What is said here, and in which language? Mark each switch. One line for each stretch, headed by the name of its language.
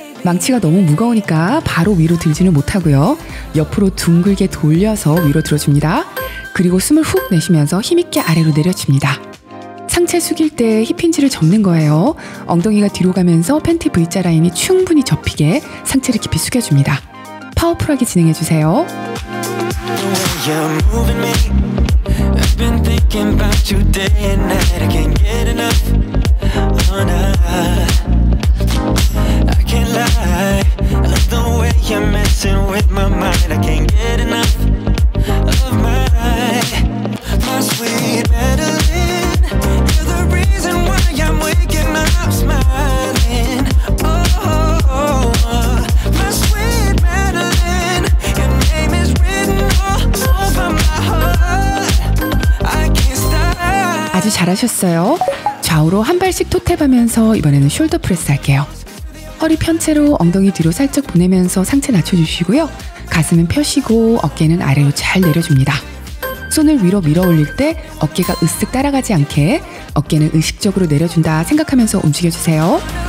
Korean: 망치가 너무 무거우니까 바로 위로 들지는 못하고요. 옆으로 둥글게 돌려서 위로 들어줍니다. 그리고 숨을 훅 내쉬면서 힘있게 아래로 내려줍니다. 상체 숙일 때 힙힌지를 접는 거예요. 엉덩이가 뒤로 가면서 팬티 V자 라인이 충분히 접히게 상체를 깊이 숙여줍니다. 파워풀하게 진행해주세요.
English: I've been thinking about you day and night. I can't get enough. Oh, nah. I can't lie. Of the way you're messing with my mind. I can't get enough of my sweet Madeline. You're the reason why I'm waking up smiling. Oh, oh, oh. My sweet Madeline. Your name is written all over my heart.
Korean: 아주 잘하셨어요. 좌우로 한 발씩 토탭하면서 이번에는 숄더 프레스 할게요. 허리 편 채로 엉덩이 뒤로 살짝 보내면서 상체 낮춰주시고요. 가슴은 펴시고 어깨는 아래로 잘 내려줍니다. 손을 위로 밀어 올릴 때 어깨가 으쓱 따라가지 않게 어깨는 의식적으로 내려준다 생각하면서 움직여주세요.